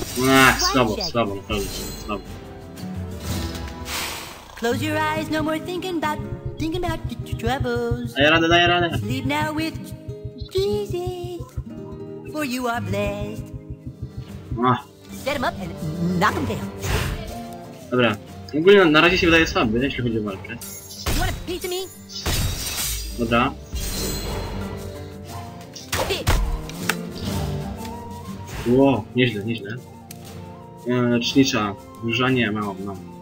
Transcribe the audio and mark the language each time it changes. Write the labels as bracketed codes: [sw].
[pl] Ach, słabo, słabo, naprawdę, słabo. [en] Close your eyes, no more thinking about your troubles. [pl] Daj radę. [en] Sleep now with Jesus, for you are blessed. Set him up and knock him down. [pl] Dobra. Ogólnie na razie się wydaje słaby, jeśli chodzi o walkę. [en] You want a piece of me? [pl] Dobra. Ło, nieźle. Lecznicza, wyrzanie, mam.